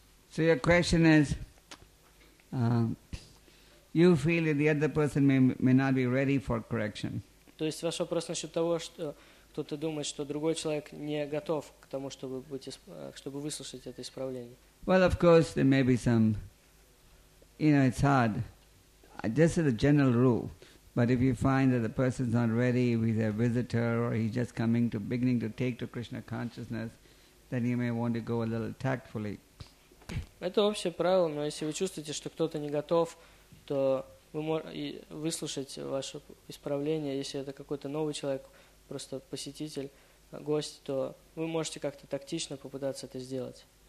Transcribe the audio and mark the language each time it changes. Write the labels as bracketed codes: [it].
[en] so your question is, you feel that the other person may not be ready for correction. [ru] То есть ваш вопрос насчет того, что кто-то думает, что другой человек не готов к тому, чтобы выслушать это исправление. [en] Well, of course, there may be some. You know, it's hard. This is a general rule. But if you find that the person's not ready, he's a visitor, or he's just beginning to take to Krishna consciousness, then you may want to go a little tactfully. [ru] Это общее правило, но если вы чувствуете, что кто-то не готов, то вы можете выслушать ваше исправление. Если это какой-то новый человек, просто посетитель, гость, то вы можете как-то тактично попытаться это сделать.